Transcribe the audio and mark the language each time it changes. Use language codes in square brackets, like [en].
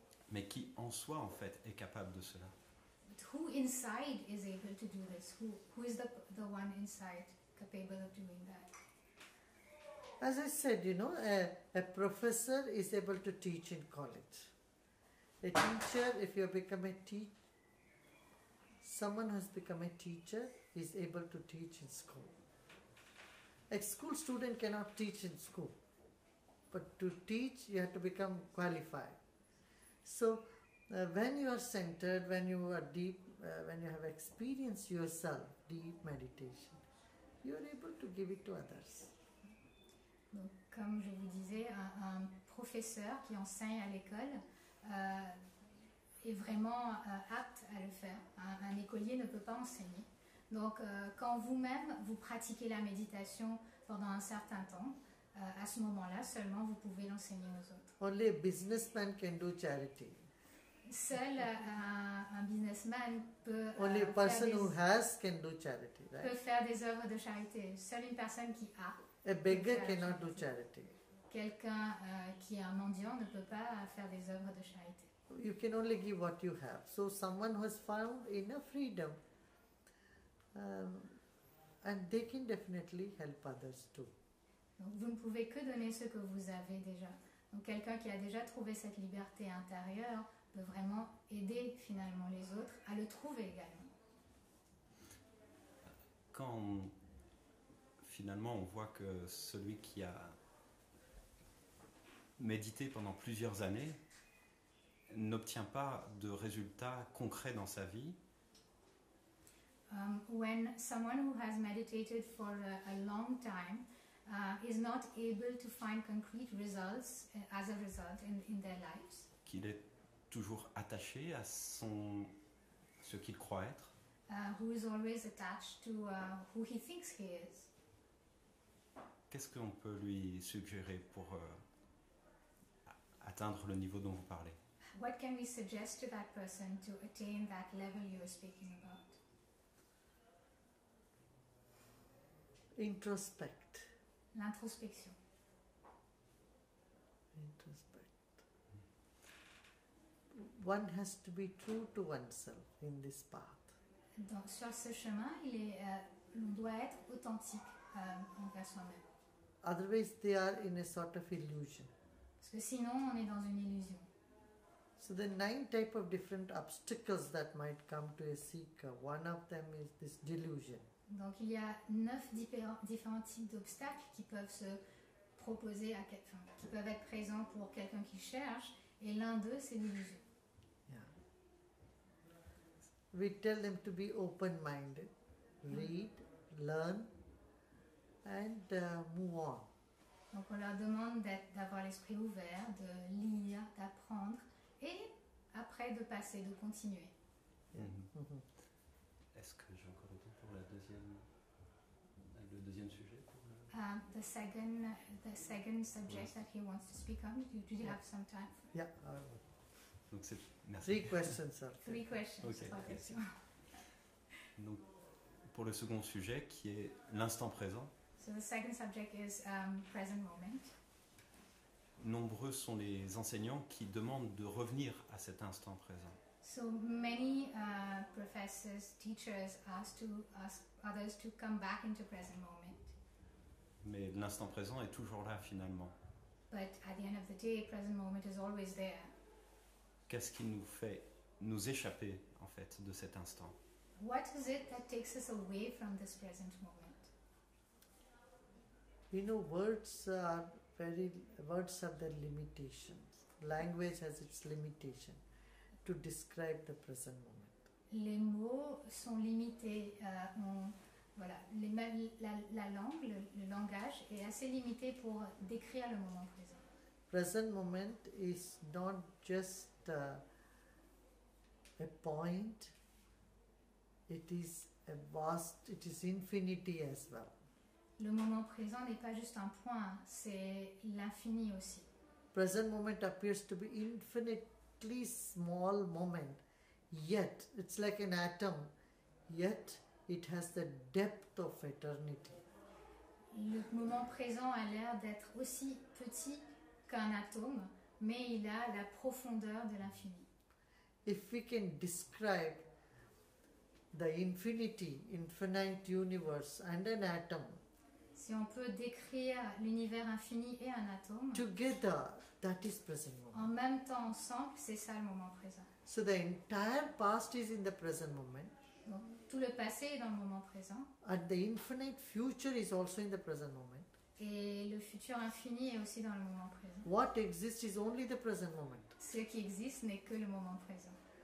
[fr] Mais qui en soi en fait est capable de cela? [en] But who inside is able to do this? Who is the one inside capable of doing that? As I said, you know, a professor is able to teach in college. A teacher, if you become a someone who has become a teacher is able to teach in school. A school student cannot teach in school. But to teach, you have to become qualified. So, when you are centered, when you are deep, when you have experienced yourself, deep meditation, you are able to give it to others. [fr] Donc, comme je vous disais, un professeur qui enseigne à l'école est vraiment apte à le faire. Un écolier ne peut pas enseigner. Donc, quand vous-même, vous pratiquez la méditation pendant un certain temps, à ce moment-là, seulement, vous pouvez l'enseigner aux autres. [en] Only a businessman can do charity. [fr] Seul un businessman peut, [en] only a person who has can do charity, right? [fr] Peut faire des œuvres de charité. Seule une personne qui a. [en] A beggar cannot do charity. [fr] Quelqu'un qui est un mendiant ne peut pas faire des œuvres de charité. [en] You can only give what you have. So someone who has found inner freedom, and they can definitely help others too. [fr] Donc vous ne pouvez que donner ce que vous avez déjà. Donc quelqu'un qui a déjà trouvé cette liberté intérieure peut vraiment aider finalement les autres à le trouver également. Quand finalement on voit que celui qui a médité pendant plusieurs années n'obtient pas de résultats concrets dans sa vie. [en] When someone who has meditated for a long time is not able to find concrete results as a result in their lives. [fr] Qu'il est toujours attaché à ce qu'il croit être. [en] Who is always attached to who he thinks he is. [fr] Qu'est-ce qu'on peut lui suggérer pour atteindre le niveau dont vous parlez? [en] What can we suggest to that person to attain that level you are speaking about? Introspect. [fr] L'introspection. [en] Introspect. One has to be true to oneself in this path. [fr] Donc sur ce chemin, on doit être authentique envers soi-même. [en] Otherwise, they are in a sort of illusion. [fr] Parce que sinon, on est dans une illusion. [en] So the 9 types of different obstacles that might come to a seeker, one of them is this delusion. [fr] Donc il y a 9 différents types d'obstacles qui peuvent se proposer à quelqu'un, qui peuvent être présents pour quelqu'un qui cherche, et l'un d'eux, c'est l'illusion. [en] Yeah. We tell them to be open-minded, read, learn, and move on. [fr] Donc on leur demande d'avoir l'esprit ouvert, de lire, d'apprendre, et après de passer, de continuer. Mm-hmm. Est-ce que j'ai encore le temps pour le deuxième sujet pour [en] the second subject, yes, that he wants to speak on? Do you have some time? Yeah. [fr] Donc c'est merci. [en] Three questions, sir. Three questions. Okay. Yes. [fr] Donc pour le second sujet qui est l'instant présent. [en] So the second subject is present moment. [fr] Nombreux sont les enseignants qui demandent de revenir à cet instant présent. [en] So many professors, teachers ask others to come back into present moment. [fr] Mais l'instant présent est toujours là finalement. [en] But at the end of the day, present moment is always there. [fr] Qu'est-ce qui nous fait nous échapper en fait de cet instant? [en] What is it that takes us away from this present moment? You know, words have their limitations. Language has its limitation to describe the present moment. [fr] Les mots sont limités. La langue, le langage est assez limité pour décrire le moment présent. [en] Present moment is not just a point. It is a vast. It is infinity as well. [fr] Le moment présent n'est pas juste un point, c'est l'infini aussi. [en] Present moment appears to be infinitely small moment yet it's like an atom, yet it has the depth of eternity. [fr] Le moment présent a l'air d'être aussi petit qu'un atome, mais il a la profondeur de l'infini. [en] If we can describe the infinity, infinite universe and an atom, [fr] si on peut décrire l'univers infini et un atome, [en] together, that is present moment. [fr] En même temps, ensemble, c'est ça le moment présent. [en] So the entire past is in the present moment. [fr] Donc, tout le passé est dans le moment présent. [en] And the infinite future is also in the present moment. [fr] Et le futur infini est aussi dans le moment présent. [en] What exists is only the present moment. [fr] Ce qui existe n'est que le moment présent.